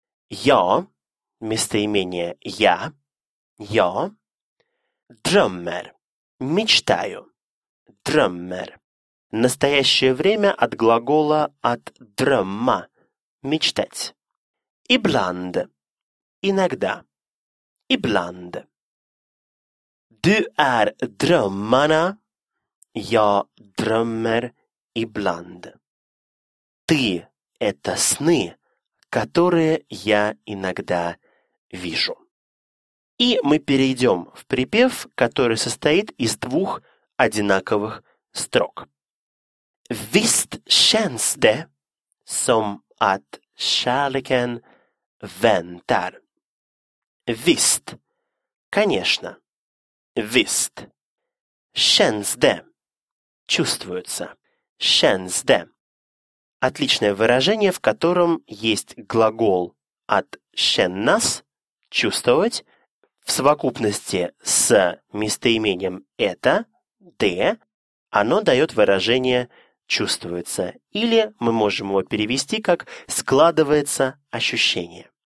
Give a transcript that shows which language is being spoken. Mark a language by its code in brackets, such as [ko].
[ru] «Я» – местоимение «я», «я», «drömmer» – «мечтаю», «drömmer». Настоящее время от глагола от «drömma» – «мечтать». «Ibland» – «иногда», «ibland». [sv] «Du är drömmarna» – «я drömmer ibland». [ru] «Ты» – это «сны», которые я иногда вижу. И мы перейдем в припев, который состоит из двух одинаковых строк. [sv] Visst känns det som att kärleken väntar. Visst, конечно. Visst. Känns det. Чувствуется. Känns det. [ru] Отличное выражение, в котором есть глагол от «kännas» – «чувствовать» в совокупности с местоимением «это» – «de», оно дает выражение «чувствуется», или мы можем его перевести как «складывается ощущение».